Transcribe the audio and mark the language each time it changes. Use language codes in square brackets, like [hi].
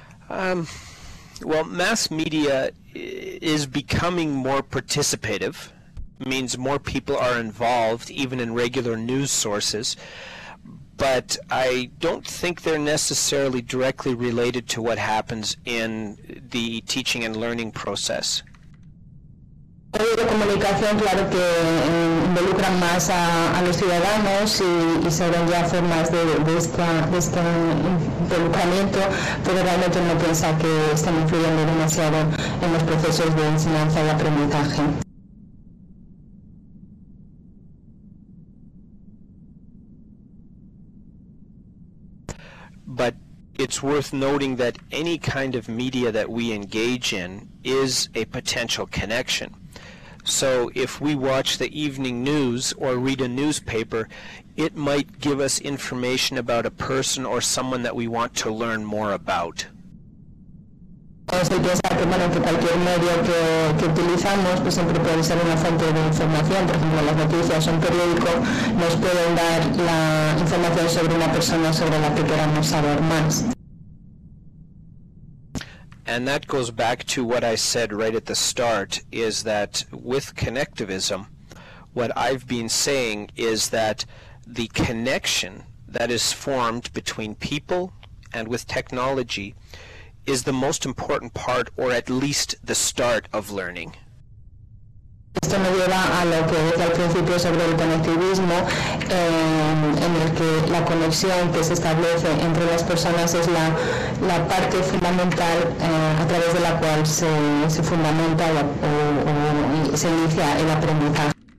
[en] Well, mass media is becoming more participative. It means more people are involved, even in regular news sources. But I don't think they're necessarily directly related to what happens in the teaching and learning process. [es] De comunicación, claro que involucran más a los ciudadanos y se ven ya formas de este involucramiento, pero realmente uno piensa que están influyendo demasiado en los procesos de enseñanza y aprendizaje. [en] But it's worth noting that any kind of media that we engage in is a potential connection. So if we watch the evening news or read a newspaper, it might give us information about a person or someone that we want to learn more about. [es] Se piensa que, bueno, que cualquier medio que utilizamos pues siempre puede ser una fuente de información. Por ejemplo, las noticias o un periódico nos pueden dar la información sobre una persona sobre la que queramos saber más. [en] And that goes back to what I said right at the start, is that with connectivism, what I've been saying is that the connection that is formed between people and with technology is the most important part, or at least the start of learning. [es] Esto me lleva a lo que decía al principio sobre el conectivismo, en el que la conexión que se establece entre las personas es la parte fundamental a través de la cual se fundamenta o se inicia el aprendizaje.